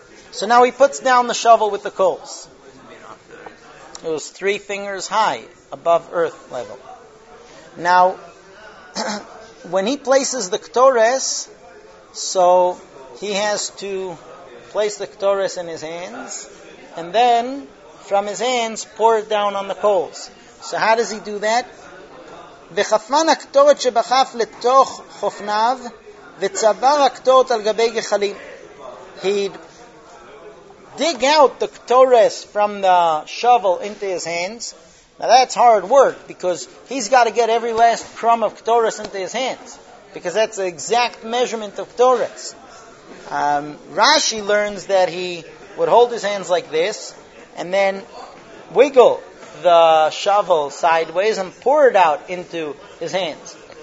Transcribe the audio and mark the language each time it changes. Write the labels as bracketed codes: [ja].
[en] So now he puts down the shovel with the coals. It was 3 fingers high above earth level. Now, when he places the ktores, so he has to place the ktores in his hands, and then from his hands pour it down on the coals. So how does he do that? [he] וחפן הקטורת שבחף לתוך חופניו וצבר הקטורת על גבי גחלים. [en] He'd dig out the ktores from the shovel into his hands. Now that's hard work because he's got to get every last crumb of ktores into his hands because that's the exact measurement of ktores. Rashi learns that he would hold his hands like this and then wiggle the shovel sideways and pour it out into his hands.